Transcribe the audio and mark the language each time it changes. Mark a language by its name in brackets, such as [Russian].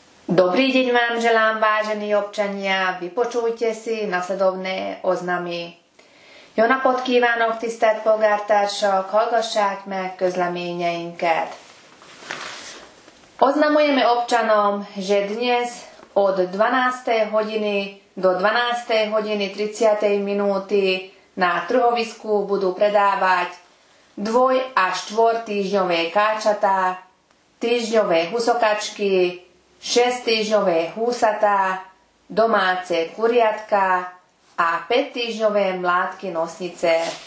[Slovak] Dobrý deň vám želám, vážení občania. Vypočujte si nasledovné oznamy. [Hungarian] Jóna podkívánok tisztelt polgártársak, hallgassák meg közleményeinket. [Slovak] Oznamujeme občanom, že dnes od 12. hodiny do 12. hodiny 30. minúty na trhovisku budú predávať dvoj- a štvortýždňové káčatá, týždňové husokačky, 6-týždňové húsatá, domáce kuriatka a 5-týždňové mládky nosnice.